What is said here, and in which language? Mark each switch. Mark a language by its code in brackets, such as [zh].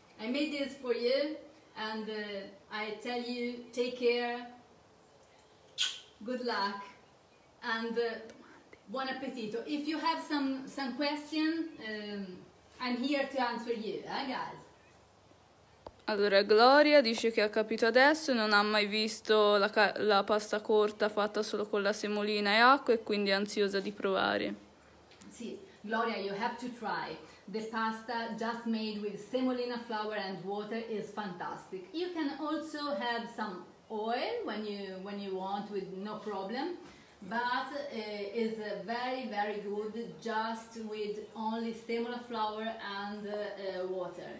[en] I made this for you, and I tell you, take care, good luck. And buon appetito. If you have some question, I'm here to answer you, guys. [it] Allora, Gloria dice che ha capito adesso, non ha mai visto la pasta corta fatta solo con la semolina e acqua e quindi è ansiosa di provare. [en] Sì, Gloria, you have to try. The pasta just made with semolina flour and water is fantastic. You can also have some oil when you want with no problem. But is very, very good just with only semola flour and water.